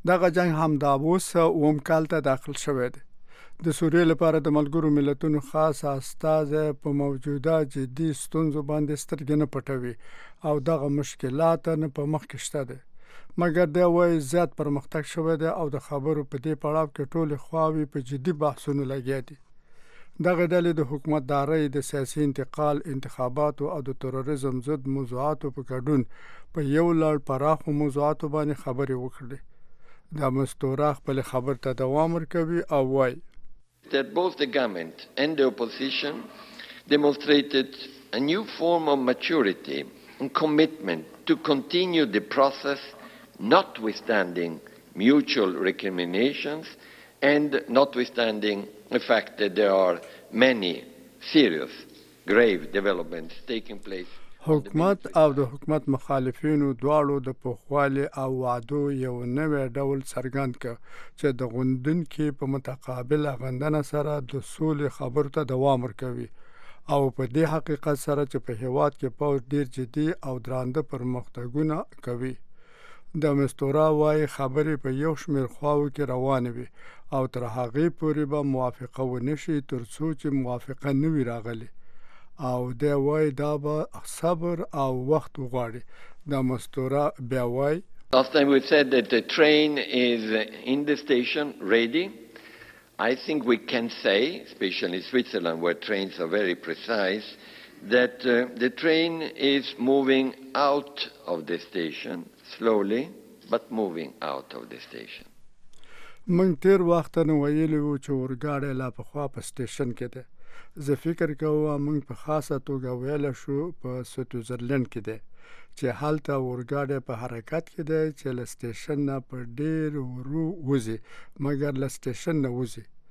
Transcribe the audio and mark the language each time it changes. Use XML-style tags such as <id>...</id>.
<ps>دغه جنگ هم د اوس 9 کال ته داخل شوی دی. د سوریې لپاره د ملګرو ملتونو خاص استازه په موجوده جدي ستونزو باندې سترګې نه پټوي او دغه مشکلات نه په مخ کې شته دي، مګر دا وایي زیات پرمختګ شوی دی او د خبرو په دې پړاو کې ټولې خواوې په جدي بحثونو لګیا دي. دغه ډلې د حکومتدارۍ د سیاسي انتقال انتخاباتو او د تروریزم ضد موضوعاتو په ګډون په یو لړ پراخو موضوعاتو باندې خبرې وکړې. دا مستورا خپل خبر ته دوام ورکوي او وایي</ps> <en>that both the government and the opposition demonstrated a new form of maturity and commitment to continue the process notwithstanding mutual recriminations and notwithstanding the fact that there are many serious grave developments taking place.</en> <ps>حکومت او د حکومت مخالفینو دواړو د پخوالي او وعدو یو نوی ډول څرګند کړ چې د غوندن کې په متقابل غندنه سره د سولې خبرو ته دوام ورکوي او په دې حقیقت سره چې په هیواد کې پوځ ډیر جدي او درانده پرمختګونه کوي. د مستورا وایي خبرې په یو شمېر خواوو کې روانې وي او تر هغې پورې به موافقه ونه شي تر څو چې موافقه نه وي راغلې، او د وای دا به صبر او وخت وغواړي. د مستورا بیا وای</ps> <en>last time we said that the train is in the station ready. I think we can say, especially in Switzerland where trains are very precise, that the train is moving out of the station slowly but moving out of the station.</en> <ps>من تیر وخت نه ویلی و چې ورګاړی لا په خوا په سټیشن کې ده. زه فکر کوم موږ په خاصه توګه ویلی شو په سویټزرلند کې ده چې هلته اورګاډی په حرکت کې ده چې له سټیشن نه په ډیر ورو وځي مګر له سټیشن نه وځي.</ps>